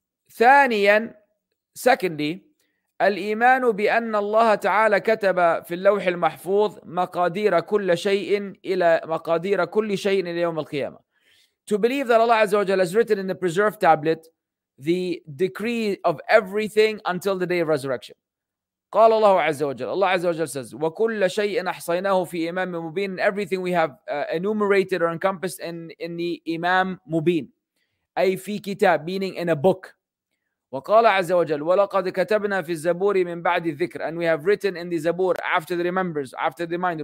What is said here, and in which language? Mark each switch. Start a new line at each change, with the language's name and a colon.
Arabic: ثانيا, secondly, الإيمان بأن الله تعالى كتب في اللوح المحفوظ مقادير كل شيء إلى مقادير كل شيء إلى يوم القيامة.
English: To believe that Allah Azza wa Jal has written in the preserved tablet the decree of everything until the day of resurrection.
Arabic: قال الله عز وجل. Allah عز وجل says, وكل شيء أحصيناه في إمام مبين.
English: Everything we have enumerated or encompassed in the إمام مبين.
Arabic: أي في كتاب,
English: meaning in a book.
Arabic: وقال عز وجل, ولقد كتبنا في الزبور من بعد الذكر.
English: And we have written in the زبور after the remembers, after the reminder.